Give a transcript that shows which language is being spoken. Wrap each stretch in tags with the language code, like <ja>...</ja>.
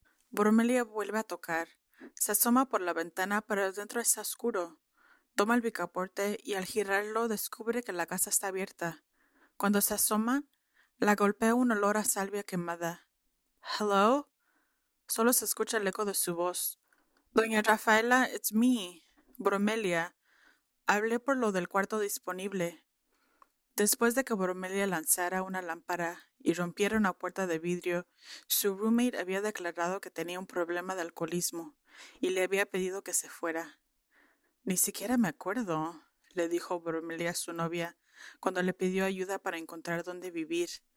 <es>Bromelia vuelve a tocar. Se asoma por la ventana, pero dentro está oscuro. Toma el picaporte y al girarlo descubre que la casa está abierta. Cuando se asoma, la golpea un olor a salvia quemada.</es> <en>Hello?</en> <es>Solo se escucha el eco de su voz.</es> <en>Doña Rafaela, it's me, Bromelia.</en> <es>Hablé por lo del cuarto disponible. Después de que Bromelia lanzara una lámpara y rompiera una puerta de vidrio, su roommate había declarado que tenía un problema de alcoholismo y le había pedido que se fuera. Ni siquiera me acuerdo, le dijo Bromelia a su novia cuando le pidió ayuda para encontrar dónde vivir.</es>